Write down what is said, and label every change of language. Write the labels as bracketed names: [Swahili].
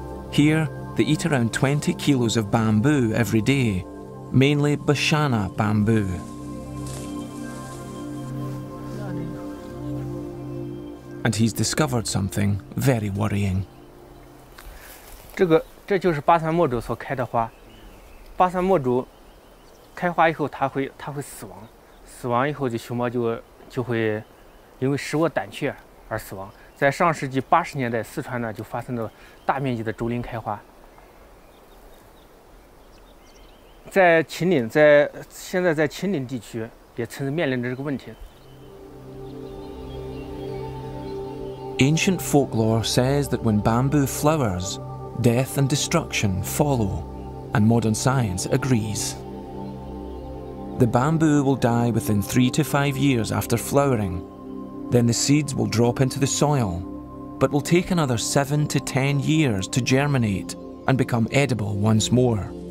[English] Here, they eat around 20 kilos of bamboo every day, mainly Bashana bamboo. And he's discovered something very worrying. This is the flower of the Ba San. [Chinese] Basan墨竹开花以后，它会死亡。死亡以后，就熊猫就会因为食物短缺而死亡。在上世纪八十年代，四川呢就发生了大面积的竹林开花。在秦岭，在现在在秦岭地区，也曾经面临着这个问题。 [English] Ancient folklore says that when bamboo flowers, death and destruction follow, and modern science agrees. The bamboo will die within 3 to 5 years after flowering. Then the seeds will drop into the soil, but will take another 7 to 10 years to germinate and become edible once more.